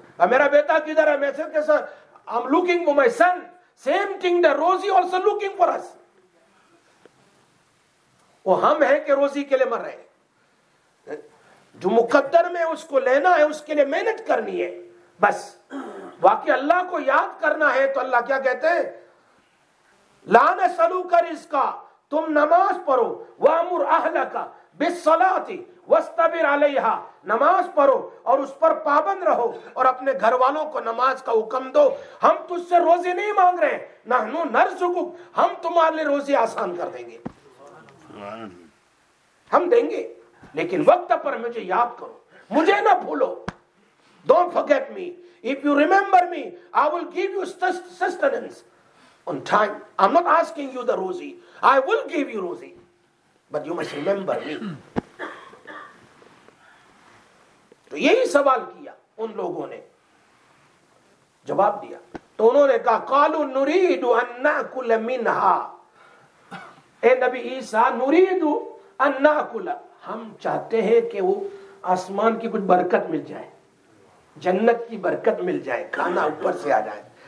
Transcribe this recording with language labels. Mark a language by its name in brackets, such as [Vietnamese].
[Urdu] میرا بیٹا کدھر ہے؟ میسج کے ساتھ [English] I'm looking for my son. Same thing, the rosy also looking for us. [Urdu] وہ ہم ہیں کہ روزی کے لیے مر رہے ہیں. جو مقدر میں اس کو لینا ہے اس کے لیے محنت کرنی ہے. بس واقعی اللہ کو یاد کرنا ہے تو اللہ کیا کہتے ہیں؟ [Arabic] لا نسألوک رزقا، [Urdu] تم نماز پڑھو، [Arabic] وامر اہلک بالصلاۃ واستبر علیہا، [Urdu] نماز پڑھو اور اس پر پابند رہو اور اپنے گھر والوں کو نماز کا حکم دو. ہم تجھ سے روزی نہیں مانگ رہے، [Arabic] نحنو نرزقک، [Urdu] ہم تمہارے لیے روزی آسان کر دیں گے، ہم دیں گے، لیکن وقت پر مجھے یاد کرو، مجھے نہ بھولو. [English] Don't forget me. If you remember me, I will give you sustenance on time. I'm not asking you the rosy. I will give you rosy. But you must remember me. [Urdu] تو یہی سوال کیا ان لوگوں نے، جواب دیا تو انہوں نے کہا [Arabic] قالوا نريد ان ناكل منها. [Urdu] اے نبی عیسیٰ، [Arabic] نريد ان ناكل، [Urdu] ہم چاہتے ہیں کہ وہ آسمان کی کچھ برکت مل جائے، جنت کی برکت مل جائے، کھانا اوپر سے آ جائے.